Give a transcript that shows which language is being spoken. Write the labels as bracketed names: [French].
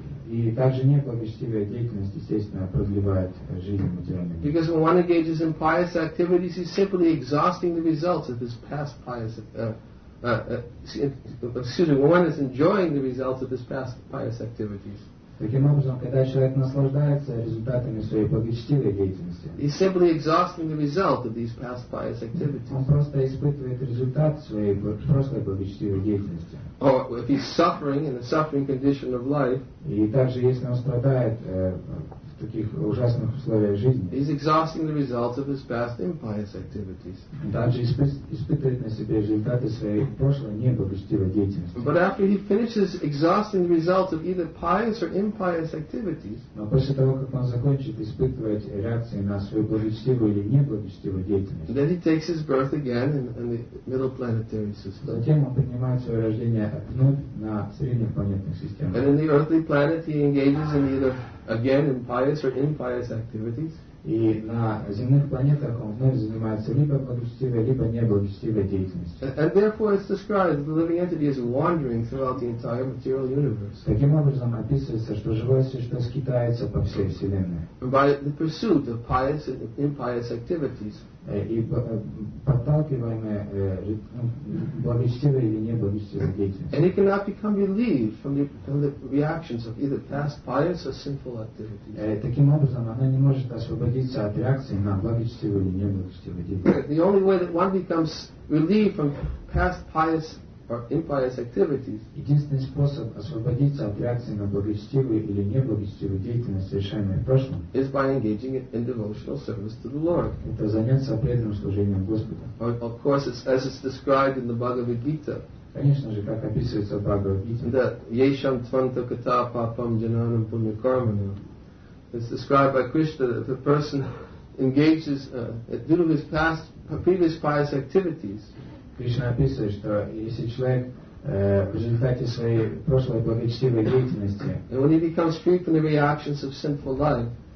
[Russian] И также неблагочестивая деятельность, естественно, продлевает жизнь в материальном мире. [English] Because when one engages in pious activities, he's simply exhausting the results of his past pious when one is enjoying the results of his past pious activities. [Russian] Таким образом, когда человек наслаждается результатами своей благочестивой деятельности, [English] he simply exhausts from the result of these past pious activities. [Russian] Он просто испытывает результат своей прошлой благочестивой деятельности. [English] Or if he's suffering in the suffering condition of life, [Russian] и также если он страдает в таких ужасных условиях жизни, [English] he's exhausting the results of his past impious activities. [Russian] Также испытывает на себе результаты своей прошлой неблагочестивой деятельности. [English] But after he finishes exhausting the results of either pious or impious activities, [Russian] но после того как он закончит испытывать реакции на свою благочестивую или неблагочестивую деятельность, [English] then he takes his birth again in the middle planetary system. [Russian] Затем он принимает свое рождение вновь на средних планетных системах. [English] And in the earthly planet he engages in either again in pious or impious activities. [Russian] И на земных планетах он вновь занимается либо благочестивой, либо неблагочестивой деятельностью. [English] And therefore it's described that the living entity is wandering throughout the entire material universe. [Russian] Таким образом описывается, что живое существо скитается по всей Вселенной. [English] By the pursuit of pious and impious activities. [Russian] И подталкиваемое благочестивой или неблагочестивой деятельностью. [English] And he cannot become relieved from the reactions of either past pious or sinful activities. [Russian] Таким образом, она не может освободиться от реакции на благочестивую или неблагочестивую деятельность. [English] The only way that one becomes relieved from past pious or impious activities. [Russian] Единственный способ освободиться от реакции на благочестивую или неблагочестивую деятельность, совершенную в прошлом, [English] is by engaging in devotional service to the Lord. [Russian] Это заняться преданным служением Господу. [English] Of course, as it's described in the Bhagavad Gita. [Russian] Конечно же, как описывается в Бхагавад Гите. [Sanskrit] That yesham tvanta kata papam jananam punya karmanu. [English] It's described by Krishna that the person engages due to his past previous pious activities. [Russian] Кришна описывает, что если человек в результате своей прошлой благочестивой деятельности, [English] when he becomes free from the reactions of sinful life,